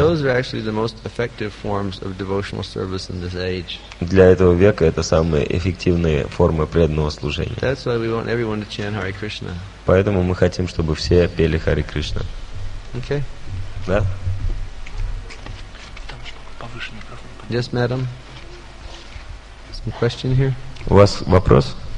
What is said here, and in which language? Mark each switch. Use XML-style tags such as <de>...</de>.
<en>Those are actually the most effective forms of devotional service in this age.</en> <ru>Для этого века это самые эффективные формы преданного служения.</ru> <en>That's why we want everyone to chant Hare Krishna.</en> <ru>Поэтому мы хотим, чтобы все пели Харе Кришна.</ru> <en>Okay.</en> <ru>Да?</ru> <en>Yes, madam. Some question here.</en> <ru>У вас вопрос?</ru>